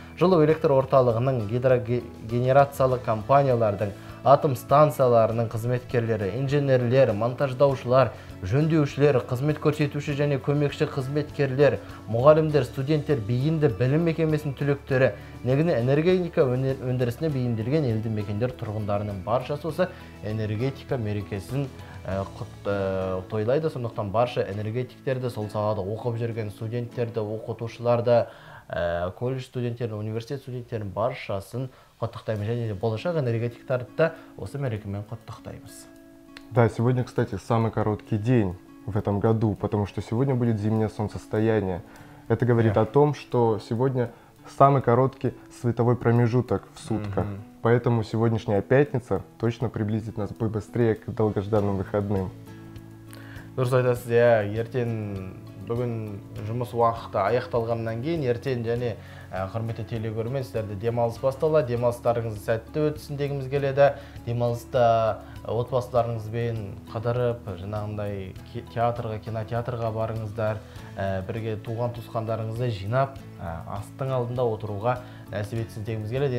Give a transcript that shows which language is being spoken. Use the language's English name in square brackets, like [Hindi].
[Kazakh] Жылу электр орталығының гидрогенерациялық компаниялардың атом станцияларының қызметкерлері, инженерлер, монтаждаушылар, жөндеушілер, қызмет көрсетуші және көмекші қызметкерлер, мұғалімдер, студенттер, бейінді білім мекемесінің түлектері, негізінен энергетика өндірісіне бейімделген елді мекендер тұрғындарының баршасы осы энергетика мерекесін тойлайды. Сондықтан барша энергетиктерді сол салада оқып жүрген студенттерді, оқытушыларды, колледж студенттерін, университет студенттерін баршасын құттықтаймыз, және де болашақ энергетиктерді осы мерекемен құттықтаймыз. [Russian] Да, сегодня, кстати, самый короткий день в этом году, потому что сегодня будет зимнее солнцестояние. Это говорит о том, что сегодня самый короткий световой промежуток в сутках. Поэтому сегодняшняя пятница точно приблизит нас побыстрее к долгожданным выходным. [Kazakh] Дұрыс айтасыз, ертең бүгін жұмыс уақыты аяқталғаннан кейін ертең және құрметті телекөрермен сіздерді демалыс басталады. Демалыстарыңыз сәтті өтсін дегіміз келеді. Демалыста отбасыларыңызбен қыдырып, жаңағындай театрға, кинотеатрға барыңыздар, бірге туған-туысқандарыңызды жинап, астың алдында отыруға нәсіп етсін дегіміз келеді.